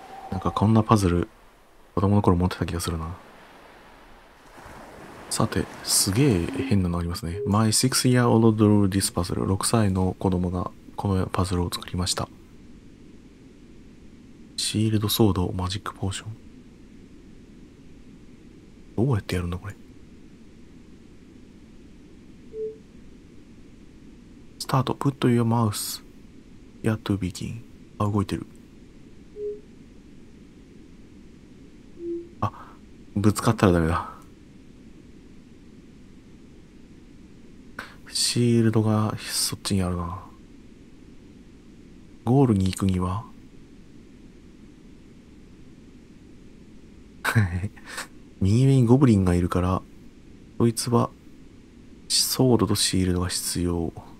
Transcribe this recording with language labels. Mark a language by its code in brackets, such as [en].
[ja] なんかこんなパズル子供の頃持ってた気がするな。さて、すげえ変なのありますね。 [en] My six year old drew this puzzle. [ja] 6歳の子供がこのパズルを作りました。シールドソード、マジックポーション。どうやってやるんだこれ。 [en] スタート、put your mouse here to begin. [ja] あ、動いてる。あ、ぶつかったらダメだ。シールドがそっちにあるな。ゴールに行くには右上にゴブリンがいるから、そいつはソードとシールドが必要。